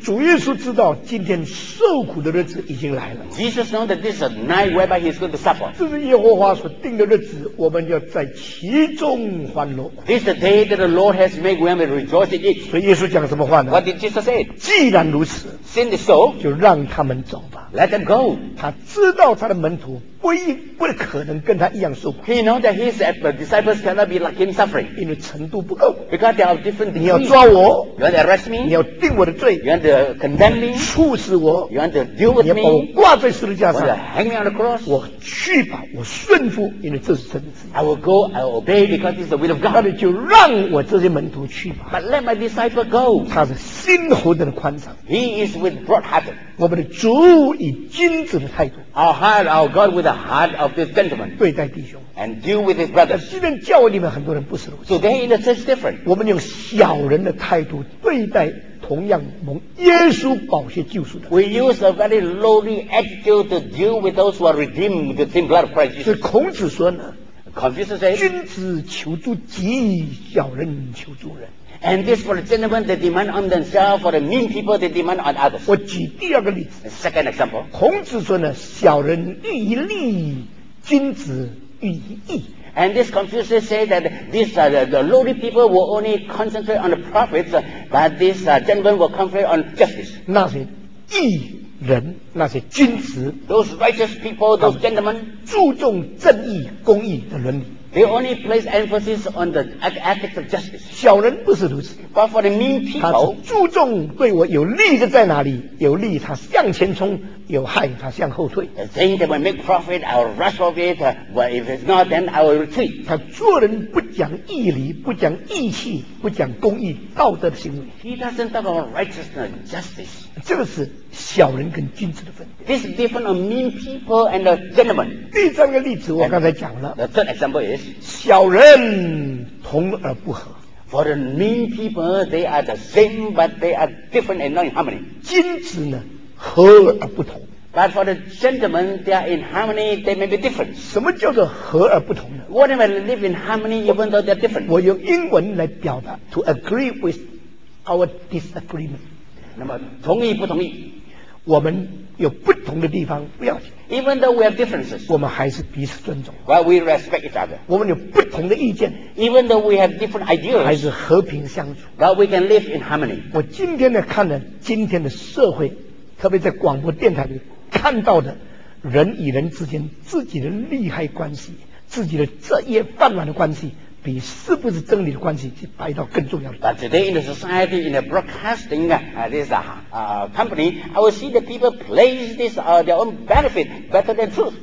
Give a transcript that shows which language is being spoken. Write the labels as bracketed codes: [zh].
[zh] 主耶稣知道今天受苦的日子已经来了 [en] Jesus knows that this is a night whereby he is going to suffer [zh] 这是耶和华所定的日子我们要在其中欢乐 [en] This is the day that the Lord has made we may rejoice in it [zh] 所以耶稣讲什么话呢 [en] What did Jesus say? [zh] 既然如此 [en] Since so [zh] 就让他们走吧 [en] Let them go [zh] 他知道他的门徒不可能跟他一样受苦 [en] He knows that his disciples cannot be like him suffering [zh] 因为程度不够 [en] Because they are different degrees [zh] 你要抓我 [en] You want to arrest me [zh] 你要定我的罪 [en] You want to condemn me [zh] 处死我 [en] You want to deal with me [zh] 你要把我挂在十字架上 [en] You want to hang me on the cross [zh] 我去吧我顺服因为这是真的 [en] I will go I will obey because it's the will of God [zh] 那就让我这些门徒去吧 [en] But let my disciples go [zh] 他是心活的宽敞 [en] He is with broad hearted [zh] 我们的主以君子的态度 [en] Our heart our God with aheart of this gentleman [zh] 对待弟兄 [en] and deal with his brothers [zh] 今天教会里面很多人不是如此 [en] today in the church different [zh] 我们用小人的态度对待同样蒙耶稣宝血救赎的 [en] we use a very lowly attitude to deal with those who are redeemed with the same blood of Christ Jesus [zh] 所以孔子说呢 [en] Confucius said [zh] 君子求诸己小人求诸人 [en] and this for the gentlemen they demand on themselves for the mean people they demand on others [zh] 我举第二个例子 [en] second example [zh] 孔子说呢小人欲以利君子欲以义 [en] and this Confucius said that these the lowly people will only concentrate on the profits but these gentlemen will concentrate on justice [zh] 那是义人那些君子 [en] those righteous people those gentlemen [zh] 注重正义公义的伦理 [en] They only place emphasis on the ethics of justice. [zh] 小人不是如此。 [en] But for the mean people, [zh] 他只注重对我有利的在哪里，有利他向前冲，有害他向后退。 [en] The thing that will make profit, I will rush off it, but if it's not, then I will retreat. [zh] 他做人不讲义理，不讲义气，不讲公义，道德的行为。 [en] He doesn't talk about righteousness, justice. [zh] 这个是小人跟君子的分别。 [en] This is different from mean people and the gentleman. [zh] 第三个例子我刚才讲了。 [en] The third example is, [zh] 小人同而不合。 [en] For the mean people, they are the same, but they are different and not in harmony. [zh] 君子呢，和而不同。 [en] But for the gentlemen, they are in harmony, they may be different. [zh] 什么叫做和而不同呢？ [en] What if I live in harmony even though they are different? [zh] 我用英文来表达 [en] to agree with our disagreement. [zh] 那么同意不同意？我们有不同的地方不要紧。 [en] Even though we have differences, [zh] 我们还是彼此尊重。 [en] While we respect each other, [zh] 我们有不同的意见。 [en] Even though we have different ideas, [zh] 还是和平相处。 [en] While we can live in harmony. [zh] 我今天呢看了今天的社会，特别在广播电台里看到的人与人之间自己的利害关系，自己的这一饭碗的关系，比是不是真理的关系是摆到更重要的。 [en] But today in the society, in the broadcasting, company, I will see the people place this, their own benefit better than truth.